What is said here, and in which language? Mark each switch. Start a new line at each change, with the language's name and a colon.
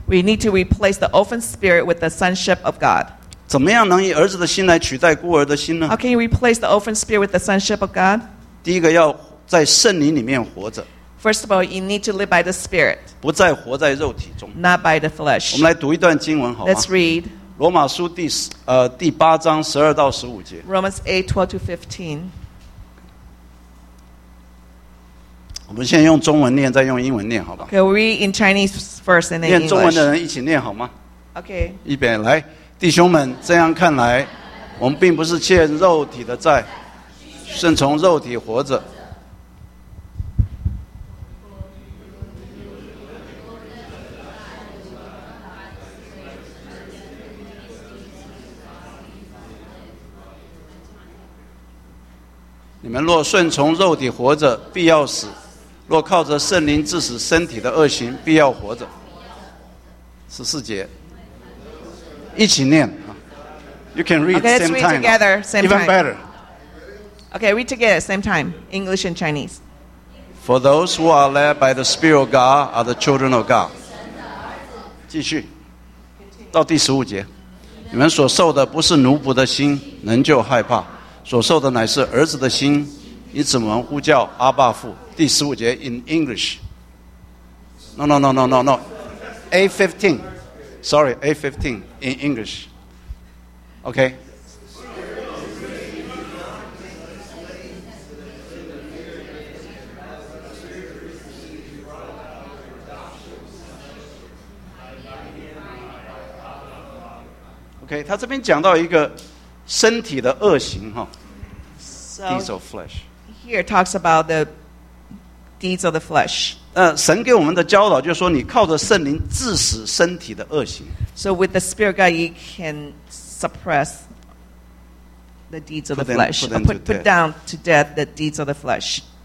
English: We need to replace the orphan spirit with the sonship of God.
Chinese: 怎么样能以儿子的心来取代孤儿的心呢
English: ？How can you replace the orphan spirit with the sonship of God？
Chinese: 第一个要在圣灵里面活着。
English: First of all, you need to live by the Spirit。
Chinese: 不再活在肉体中。
English: Not by the flesh。
Chinese: 我们来读一段经文好吗
English: ？Let's read。
Chinese: 罗马书第八章12-15节。
English: Romans 8:12-15。
Chinese: 我们先用中文念，再用英文念，好吧
English: ？Okay, we read in Chinese first and then English.
Chinese: 念中文的人一起念好吗
English: ？Okay.
Chinese: 一边来，弟兄们，这样看来，我们并不是欠肉体的债，是从肉体活着。你们若顺从肉体活着，必要死；若靠着圣灵致使身体的恶行，必要活着。十四节，一起念。
English: You can read okay, same time. Together, same even time. Better. Okay, read together, same time, English and Chinese. For those who are led by the Spirit of God are the children of God.
Chinese: 继续，到第十五节，你们所受的不是奴仆的心，仍旧害怕。所受的乃是儿子的心，以此我们呼叫阿爸父。第十五节
English: in English. No. A 15. Sorry, A 15 in English. Okay.
Chinese: Okay. 他这边讲到一个。身体的恶行哈
English: deeds of flesh. Here talks about the deeds of the flesh.
Chinese: 神给我们的教导就是说，你靠着圣灵致使身体的恶行。
English: So with the Spirit God, you can suppress the deeds of the flesh. Put down to death the deeds of the flesh.